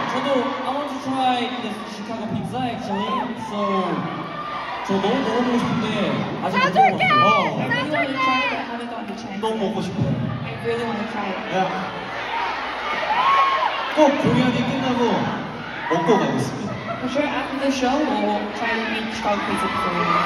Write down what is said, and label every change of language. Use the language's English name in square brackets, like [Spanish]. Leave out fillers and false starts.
[Korean] 저도 [English] I want to try the Chicago pizza actually. [Korean] So, 저 너무 먹고 싶은데 아직 못 먹었어. 어, 너무 먹고 싶어. 너무 먹고 싶어. [English] I really want to try it. Yeah. [Korean] 꼭 공연이 끝나고 먹고 가겠습니다. [English] For sure, after the show, we'll try to make strong pizza for you.